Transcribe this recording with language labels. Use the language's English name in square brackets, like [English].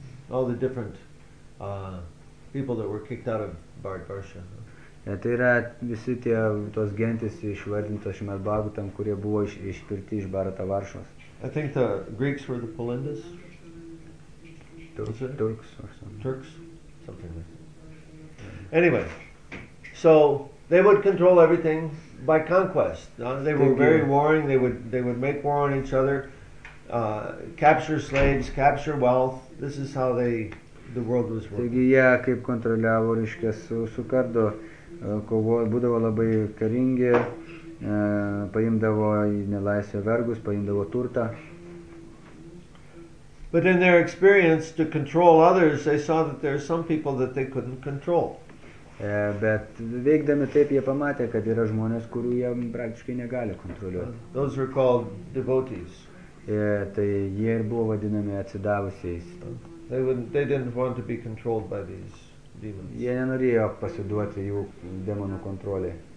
[English] All the different people that were kicked out of Bhagavarsha. [Lithuanian] Tai yra visi tie tos gentis išvardintos šimatbagų tam, kurie buvo išpirti iš Bharata Varšos. [English] I think the Greeks were the Palindas. Turks or something. Turks? Something like that. Anyway, so they would control everything by conquest. They were very warring. They would make war on each other, capture slaves, capture wealth. This is how the world was working. [Lithuanian] Taigi jie kaip kontroliavo reiškia su kardu. Būdavo labai karingi, paimdavo į nelaisvę vergus, paimdavo turtą. [English] But in their experience to control others, they saw that there are some people that they couldn't control. [Lithuanian] Bet veikdami taip, jie pamatė, kad yra žmonės, kurių jie praktiškai negali kontroliuoti. [English] Those were called devotees. [Lithuanian] Tai jie ir buvo vadinami atsidavusiais. [English] They didn't want to be controlled by these. [Lithuanian] Jie nenorėjo pasiduoti jų demonų kontrolė.